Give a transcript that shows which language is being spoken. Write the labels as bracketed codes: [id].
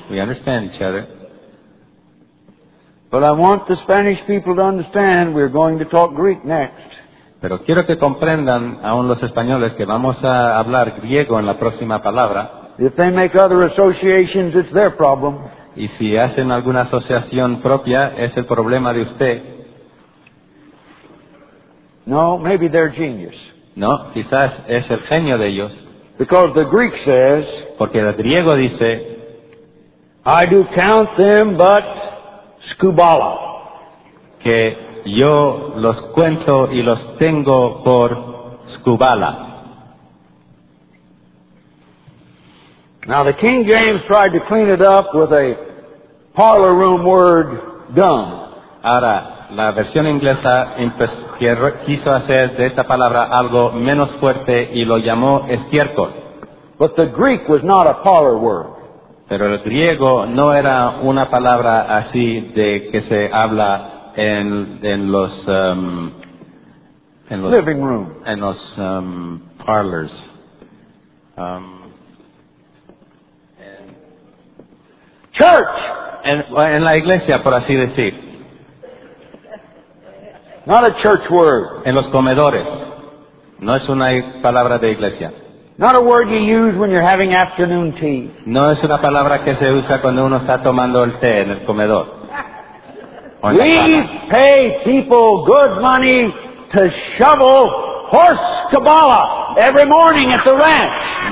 [en] We understand each other. But I want the Spanish people to understand we're going to talk Greek next. [es] Pero quiero que comprendan aún los españoles que vamos a hablar griego en la próxima palabra. [en] If they make other associations, it's their problem. [es] Y si hacen alguna asociación propia, es el problema de usted. [en] No, maybe they're genius. [es] No, quizás es el genio de ellos. [en] Because the Greek says, [es] porque el griego dice, [en] I do count them but skubala. [es] Que yo los cuento y los tengo por skubala. [en] Now the King James tried to clean it up with a parlor room word, dumb. [es] Ahora, la versión inglesa quiso hacer de esta palabra algo menos fuerte y lo llamó estiércol. [en] But the Greek was not a parlor word. [es] Pero el griego no era una palabra así de que se habla en los [en] living room. [es] En los parlors. [en] Church. [es] En la iglesia, por así decir. [en] Not a church word. [es] En los comedores. No es una palabra de iglesia. [en] Not a word you use when you're having afternoon tea. [es] No es una palabra que se usa cuando uno está tomando el té en el comedor. [en] We pay people good money to shovel horse cabala every morning at the ranch.